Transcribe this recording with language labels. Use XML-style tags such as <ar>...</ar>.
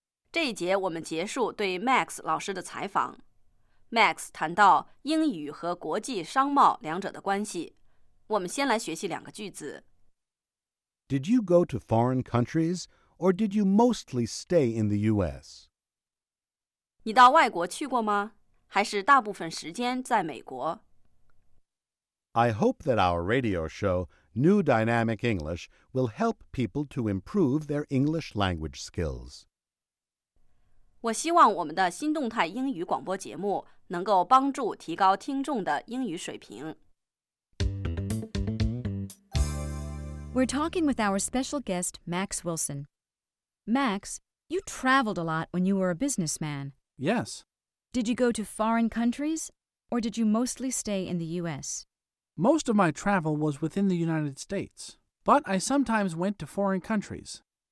<zh>这一节我们结束对 Max 老师的采访。Max 谈到英语和国际商贸两者的关系。我们先来学习两个句子。</zh> <en>Did you go to foreign countries, or did you mostly stay in the U.S.?</en> <zh>你到外国去过吗？还是大部分时间在美国？</zh> <en>I hope that our radio show, New Dynamic English, will help people to improve their English language skills.</en> <zh>我希望我们的新动态英语广播节目能够帮助提高听众的英语水平。</zh> <en>We're talking with our special guest, Max Wilson. Max, you traveled a lot when you were a businessman. Yes. Did you go to foreign countries, or did you mostly stay in the U.S.? Most of my travel was within the United States, but I sometimes went to foreign countries.</en>